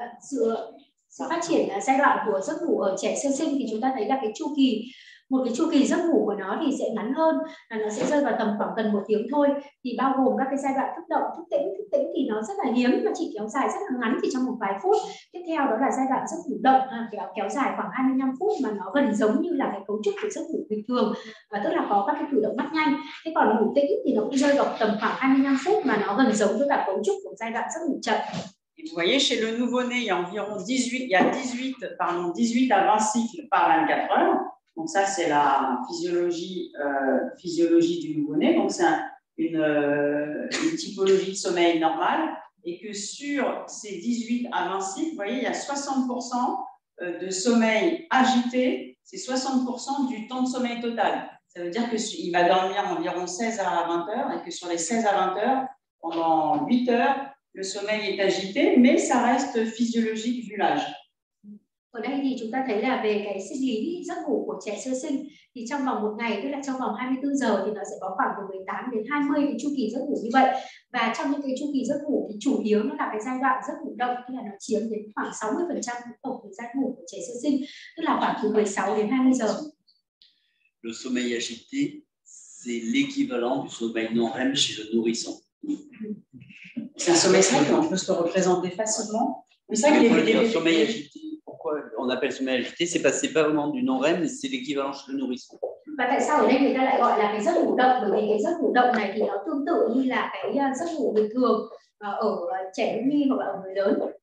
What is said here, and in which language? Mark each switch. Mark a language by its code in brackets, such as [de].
[vi] Sự phát triển giai đoạn của giấc ngủ ở trẻ sơ sinh thì chúng ta thấy là cái chu kỳ, một cái chu kỳ giấc ngủ của nó thì sẽ ngắn hơn, là nó sẽ rơi vào tầm khoảng gần một tiếng thôi, thì bao gồm các cái giai đoạn thức động, thức tỉnh thì nó rất là hiếm và chỉ kéo dài rất là ngắn, chỉ trong một vài phút. Tiếp theo đó là giai đoạn giấc ngủ động kéo dài khoảng 25 phút, mà nó gần giống như là cái cấu trúc của giấc ngủ bình thường, và tức là có các cái cử động mắt nhanh. Thế còn ngủ tĩnh thì nó cũng rơi vào tầm khoảng 25 phút, mà nó gần giống với cả cấu trúc của giai đoạn giấc ngủ chậm. [fr] Et vous voyez, chez le nouveau-né, il y a 18 à 20 cycles par 24 heures. Donc ça, c'est la physiologie du nouveau-né. Donc c'est une typologie de sommeil normale. Et que sur ces 18 à 20 cycles, vous voyez, il y a 60% de sommeil agité. C'est 60% du temps de sommeil total. Ça veut dire qu'il va dormir environ 16 à 20 heures. Et que sur les 16 à 20 heures, pendant 8 heures, le sommeil est agité, mais ça reste physiologique vu l'âge. [vi] Ở đây thì chúng ta thấy là về cái sinh lý giấc ngủ của trẻ sơ sinh thì trong vòng một ngày, tức là trong vòng 24 giờ thì nó sẽ có khoảng từ 18 đến 20 cái chu kỳ giấc ngủ như vậy. Và trong những cái chu kỳ giấc ngủ thì chủ yếu nó là cái giai đoạn giấc ngủ động, tức là nó chiếm đến khoảng 60% tổng thời gian ngủ của trẻ sơ sinh, tức là khoảng từ 16 đến 20 giờ. [fr] Le sommeil agité, c'est l'équivalent du sommeil non REM chez le nourrisson. C'est un sommeil simple, on peut se le représenter facilement. Mais ça, sommeil agité, pourquoi on appelle sommeil agité? C'est parce que c'est pas vraiment du non-REM, mais c'est l'équivalent chez le nourrisson. [vi] Bah, tại sao ở đây người ta lại gọi là cái giấc ngủ động? Bởi vì cái giấc ngủ động này thì nó tương tự như là cái giấc ngủ bình thường ở trẻ nhi hoặc là ở người lớn.